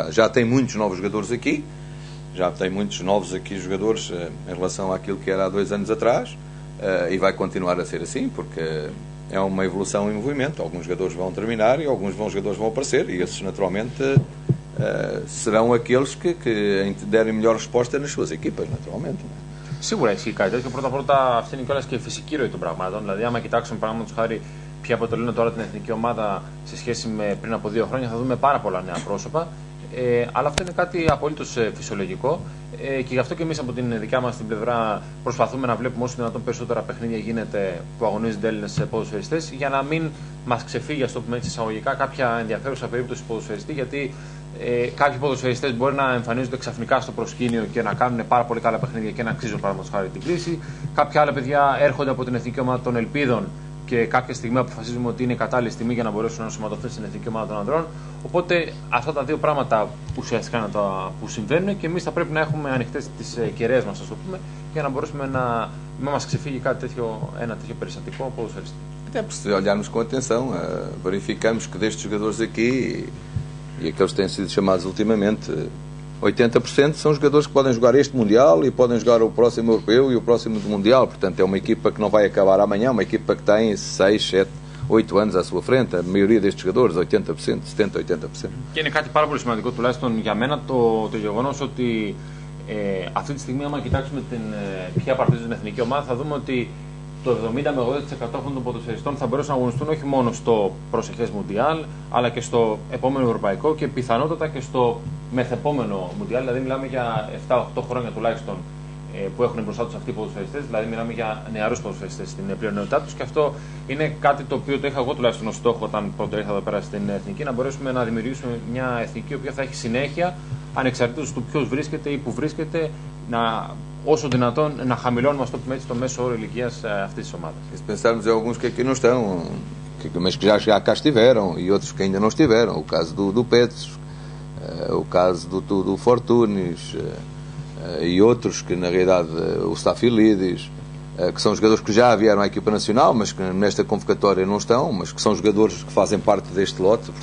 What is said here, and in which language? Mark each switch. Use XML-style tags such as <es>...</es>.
<pt>Já tem muitos novos jogadores aqui. Já tem muitos novos aqui jogadores em relação àquilo que era há 2 anos atrás. E vai continuar a ser assim, porque é uma evolução em movimento. Alguns jogadores vão terminar e alguns bons jogadores vão aparecer. E esses, naturalmente, serão aqueles que derem melhor resposta nas suas equipas, naturalmente.</pt> <el>Σίγουρα ισχύει κάτι τέτοιο. Πρώτα απ' όλα αυτήν κιόλας και η φυσική ροή των πραγμάτων. Δηλαδή, άμα κοιτάξουμε παραδείγματος χάρη ποια αποτελούν τώρα την εθνική ομάδα σε σχέση με πριν από 2 χρόνια, θα δούμε πάρα πολλά νέα πρόσωπα. Αλλά αυτό είναι κάτι απολύτως φυσιολογικό. Και γι' αυτό και εμείς από την δικιά μας την πλευρά προσπαθούμε να βλέπουμε όσο δυνατόν περισσότερα παιχνίδια γίνεται που αγωνίζονται Έλληνες ποδοσφαιριστές, για να μην μας ξεφύγει, ας το πούμε έτσι εισαγωγικά, κάποια ενδιαφέρουσα περίπτωση ποδοσφαιριστή. Γιατί κάποιοι ποδοσφαιριστές μπορεί να εμφανίζονται ξαφνικά στο προσκήνιο και να κάνουν πάρα πολύ καλά παιχνίδια και να αξίζουν παραδείγματος χάρη την κρίση. Κάποια άλλα παιδιά έρχονται από την Εθνική Ομάδα των Ελπίδων και κάποια στιγμή αποφασίζουμε ότι είναι κατάλληλη στιγμή για να μπορέσουν να ενσωματωθούν στην Εθνική Ομάδα των Ανδρών. Οπότε αυτά τα 2 πράγματα ουσιαστικά είναι τα που συμβαίνουν και εμείς θα πρέπει να έχουμε ανοιχτές τις κεραίες μας, ας το πούμε, για να μπορέσουμε να μην μας ξεφύγει κάτι τέτοιο, ένα τέτοιο περιστατικό ποδοσφαιριστή.</el> <pt>Se olharmos com atenção, verificamos que destes jogadores aqui e aqueles que têm sido chamados ultimamente, 80% são jogadores que podem jogar este Mundial e podem jogar o próximo Europeu e o próximo do Mundial. Portanto, é uma equipa que não vai acabar amanhã, uma equipa que tem 6, 7, 8 anos à sua frente. A maioria destes jogadores, 80%, 70%, 80%. E é algo muito importante, pelo menos para mim, que</pt> <el>αυτή τη στιγμή, αν κοιτάξουμε ποια παρτίζει την εθνική ομάδα, θα δούμε ότι το 70 με 80% των ποδοσφαιριστών θα μπορέσουν να αγωνιστούν όχι μόνο στο προσεχές Μουντιάλ, αλλά και στο επόμενο Ευρωπαϊκό και πιθανότατα και στο μεθεπόμενο Μουντιάλ. Δηλαδή, μιλάμε για 7-8 χρόνια τουλάχιστον που έχουν μπροστά τους αυτοί οι ποδοσφαιριστές. Δηλαδή, μιλάμε για νεαρούς ποδοσφαιριστές στην πλειονότητά τους. Και αυτό είναι κάτι το οποίο το είχα εγώ τουλάχιστον ως στόχο όταν πρώτο ήρθα εδώ πέρα στην Εθνική, να μπορέσουμε να δημιουργήσουμε μια εθνική η οποία θα έχει συνέχεια ανεξαρτήτως του ποιος βρίσκεται ή που βρίσκεται, να όσο δυνατόν να χαμηλώνουμε, ας το πούμε έτσι, το μέσο όρο ηλικίας αυτής της ομάδας.</el> <pt>Se pensarmos em alguns que aqui não estão, mas que já cá estiveram, e outros que ainda não estiveram, o caso do Pedro, o caso do Fortunes, e outros que na realidade, o Stafilidis, que são jogadores que já vieram à equipa nacional, mas que nesta convocatória não estão, mas que são jogadores que fazem parte deste lote.</pt>